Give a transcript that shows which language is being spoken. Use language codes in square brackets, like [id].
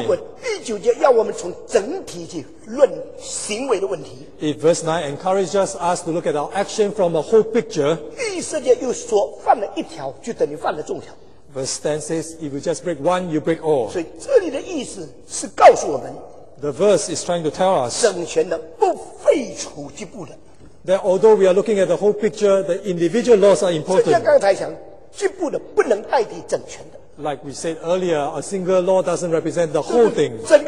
[zh] 如果第九节要我们从整体去论行为的问题, [en] If verse 9 encourages us to look at our action from a whole picture, [zh] 第十节又说犯了一条就等于犯了重条。 [en] Verse 10 says, if you just break one, you break all. [zh] 所以这里的意思是告诉我们, [en] The verse is trying to tell us [zh] 整全的不废除局部的, [en] that although we are looking at the whole picture, the individual laws are important. [zh] 就像刚才讲,局部的不能代替整全的。 [en] Like we said earlier, a single law doesn't represent the whole thing.